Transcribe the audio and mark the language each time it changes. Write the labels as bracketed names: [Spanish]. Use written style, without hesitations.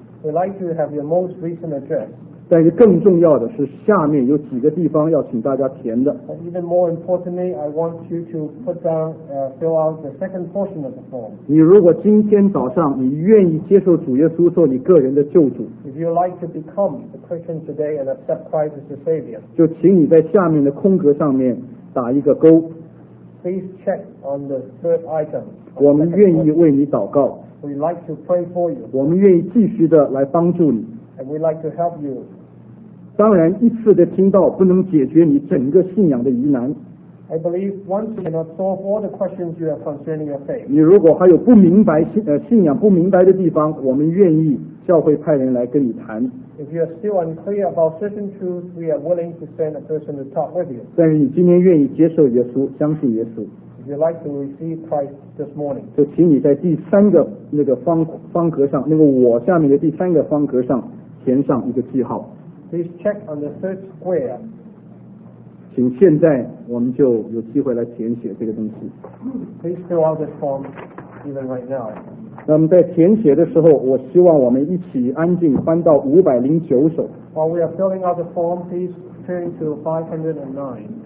[English] We'd like to have your most recent address. [Chinese] 但是更重要的是下面有几个地方要请大家填的。 [English] But even more importantly, I want you to put down, fill out the second portion of the form. [Chinese] 你如果今天早上你愿意接受主耶稣做你个人的救主， [English] If you'd like to become a Christian today and accept Christ as your Savior, [Chinese] 就请你在下面的空格上面打一个勾。 [English] Please check on the third item. [Chinese] 我们愿意为你祷告。 [English] We'd like to pray for you. [Chinese] 我们愿意继续的来帮助你。 [English] And we'd like to help you. [Chinese] 当然一次的听到不能解决你整个信仰的疑难。 [English] I believe once you cannot solve all the questions you have concerning your faith. [Chinese] 你如果还有不明白信仰不明白的地方，我们愿意教会派人来跟你谈。 [English] If you are still unclear about certain truths, we are willing to send a person to talk with you. [Chinese] 但是你今天愿意接受耶稣，相信耶稣。 [English] If you'd like to receive Christ this morning, [Chinese] 就请你在第三个那个方格上，那个我下面的第三个方格上填上一个记号。 [English] Please check on the third square. [Chinese] 请现在我们就有机会来填写这个东西。 [English] Please fill out this form even right now. [Chinese] 那么在填写的时候，我希望我们一起安静翻到509首。 [English] While we are filling out the form, please turn to 509.